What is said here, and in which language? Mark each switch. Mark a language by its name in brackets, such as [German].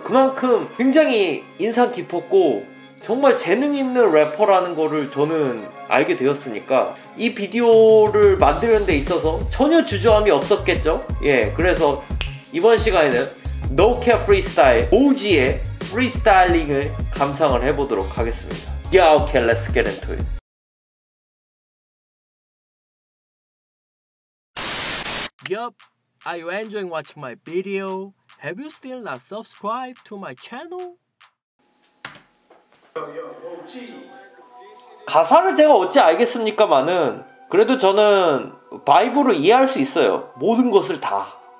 [Korean] 그만큼 굉장히 인상 깊었고 정말 재능 있는 래퍼라는 거를 저는 알게 되었으니까 이 비디오를 만드는 데 있어서 전혀 주저함이 없었겠죠? 예, 그래서 이번 시간에는 노캡 프리스타일 모지의 프리스타일링을 감상을 해보도록 하겠습니다. [English] Yeah, okay, let's get into it. Yup, are you enjoying watching my video? Have you still not subscribed to my channel? [Korean] 가사를 제가 어찌 알겠습니까만은 그래도 저는 바이브로 이해할 수 있어요. 모든 것을 다.